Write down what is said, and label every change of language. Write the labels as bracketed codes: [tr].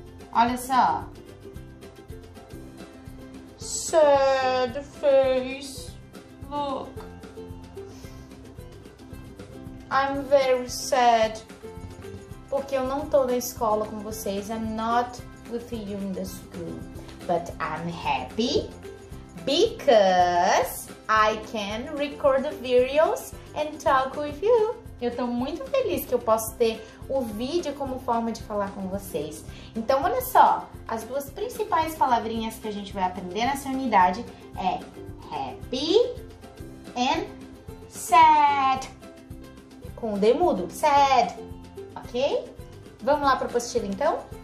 [pt] Olha só. [en] Sad face. Look. I'm very sad. [pt] Porque eu não tô na escola com vocês. [en] I'm not with you in the school. But I'm happy because I can record the videos and talk with you. [pt] Eu tô muito feliz que eu posso ter o vídeo como forma de falar com vocês. Então, olha só. As duas principais palavrinhas que a gente vai aprender nessa unidade é [en] happy and sad. [pt] Com o D mudo, sad. Ok? Vamos lá para a apostila, então?